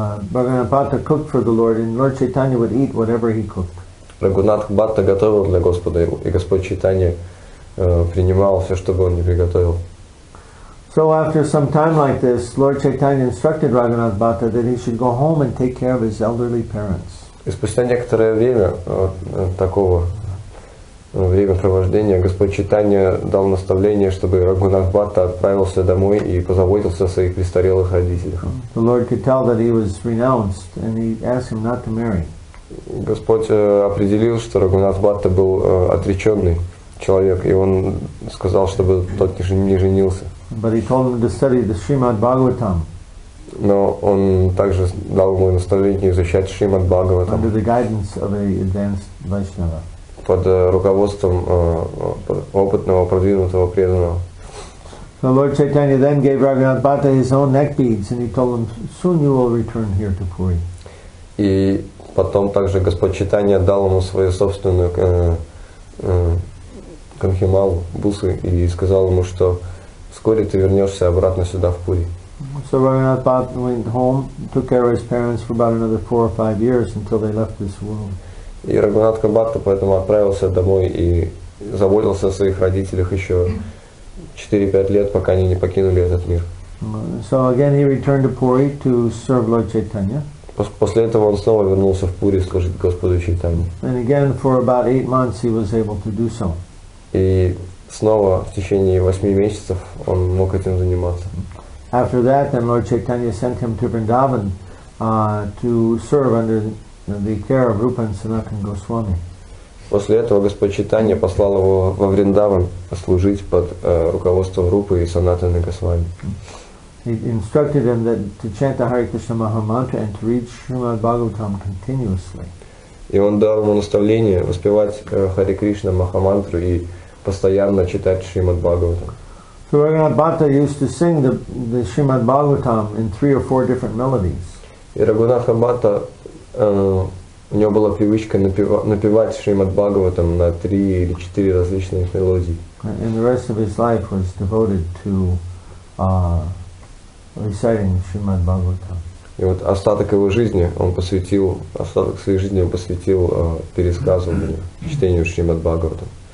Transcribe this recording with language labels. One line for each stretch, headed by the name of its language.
English: Бхагаванапата cooked for the Lord, and Lord Chaitanya would eat whatever he cooked.
Russian: Рагунатх Бхатта готовил для Господа, и Господь Чайтанья принимал все, что бы он ни приготовил.
English: So after some time like this, Lord Chaitanya instructed Рагунатх Бхатта that he should go home and take care of his elderly parents.
Russian: И спустя некоторое время такого времяпровождения Господь Чайтанья дал наставление, чтобы Рагунатх Бхатта отправился домой и позаботился о своих престарелых родителях.
English: The Lord could tell that he was renounced, and he asked him not to marry.
Russian: Господь определил, что Рагунатх Бхатта был отреченный человек, и он сказал, чтобы тот не женился.
English: But he told him to study the Srimad Bhagavatam.
Russian: Но он также дал ему наставление изучать Шримад Бхагаватам.
English: Under the guidance of an advanced Vaishnava.
Russian: Под руководством опытного, продвинутого преданного.
English: So Lord Chaitanya then gave Raghunath Bhatta his own neck beads, and he told him, soon you will return here to Puri.
Russian: И потом также Господь Чайтанья дал ему свою собственную канхималу, бусы, и сказал ему, что вскоре ты вернешься обратно сюда, в Пури.
English: So Raghunath Bhatta went home, took care of his parents for about another 4 or 5 years until they left this world.
Russian: И Рагунатх Бхатта поэтому отправился домой и заботился о своих родителях еще 4-5 лет, пока они не покинули этот мир.
English: So again he returned to Puri to serve Lord Chaitanya.
Russian: После этого он снова вернулся в Пури служить Господу Чайтанье.
English: And again for about 8 months he was able to do so.
Russian: И снова в течение 8 месяцев он мог этим заниматься.
English: After that then Lord Chaitanya sent him to Vrindavan to serve under the care of Rupa and Sanatana Goswami.
Russian: После этого Господь Чайтанья послал его во Вриндаван служить под руководством Рупы и Санатаны Госвами.
English: He instructed him that to chant the Hare Krishna Maha Mantra and to read Srimad Bhagavatam continuously.
Russian: И он дал ему наставление воспевать Хари Кришна Маха Мантру и постоянно читать Шримад Бхагаватам.
English: So Raghunath Bhatta used to sing the Srimad Bhagavatam in 3 or 4 different melodies.
Russian: И Рагунатх Бхатта у него была привычка напевать Шримад Бхагаватам на 3 или 4 различных мелодии.
English: And the rest of his life was devoted to reciting Shrimad Bhagavatam.
Russian: И вот остаток его жизни он посвятил, остаток своей жизни он посвятил пересказыванию, чтению Шримад Бхагаватам.